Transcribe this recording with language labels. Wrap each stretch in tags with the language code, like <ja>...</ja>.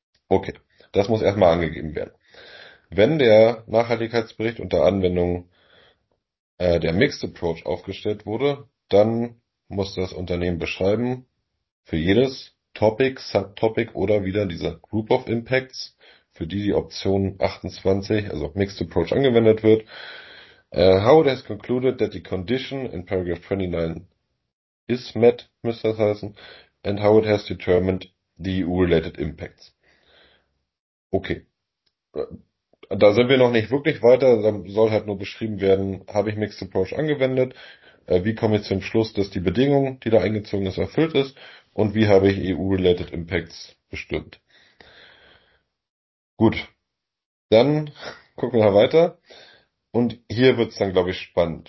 <de>Okay, das muss erstmal angegeben werden. Wenn der Nachhaltigkeitsbericht unter Anwendung der Mixed Approach aufgestellt wurde, dann muss das Unternehmen beschreiben, für jedes Topic, Subtopic oder wieder dieser Group of Impacts, für die die Option 28, also Mixed Approach, angewendet wird.</de> <en>How it has concluded that the condition in paragraph 29 is met,</en> <de>müsste das heißen,</de> <en>and how it has determined the EU-related impacts.</en> <de>Okay. Da sind wir noch nicht wirklich weiter, da soll halt nur beschrieben werden, habe ich Mixed Approach angewendet, wie komme ich zum Schluss, dass die Bedingung, die da eingezogen ist, erfüllt ist und wie habe ich EU-related Impacts bestimmt. Gut, dann gucken wir weiter und hier wird es dann, glaube ich, spannend.</de>